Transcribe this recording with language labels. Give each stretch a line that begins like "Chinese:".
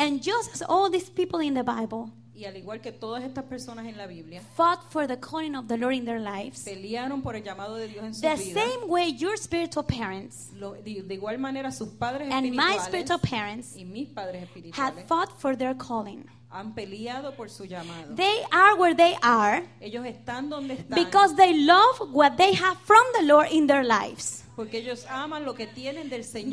English: And just as all these people in the Bible.
Spanish: Y al igual que todas estas personas en la Biblia,
English: fought for the calling of the Lord in their lives,
Spanish: pelearon por el llamado de Dios en su
English: the
Spanish: vida.
English: The same way your spiritual parents,
Spanish: de igual manera sus padres
English: and
Spanish: espirituales,
English: my spiritual parents,
Spanish: y mis padres espirituales,
English: had fought for their calling.
Spanish: Han peleado por su llamado.
English: They are where they are,
Spanish: ellos están donde están,
English: because they love what they have from the Lord in their lives.
Spanish: Porque ellos aman lo que tienen del Señor